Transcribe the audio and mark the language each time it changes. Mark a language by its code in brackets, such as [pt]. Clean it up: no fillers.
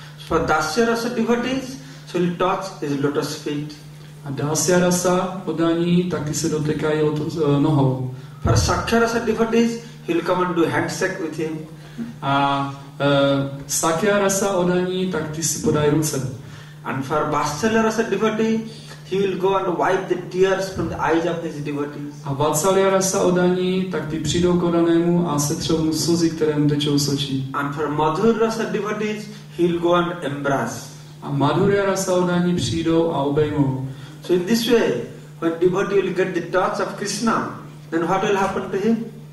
[en] For dasya rasa devotees, so he'll touch his lotus feet. [cs] A dasya rasa oddaní taky se dotýkají nohou. [en] For sakya rasa devotees, he'll come and do handshake with him. [cs] A sakya rasa oddaní, tak ty si podaj ruce. [en] And for vatsalya rasa devotee, he will go and wipe the tears from the eyes of his devotees. [cs] A vatsalya rasa oddaní, tak ty přijdou k oddanému a setřou mu slzy, které mu tečou z očí. [en] And for madhur rasa devotees, he'll go and embrace. [cs] A madhurya rasa oddaní přijdou a obejmou. [en] So in this way, when devotee will get the touch of Krishna, then what will happen to him?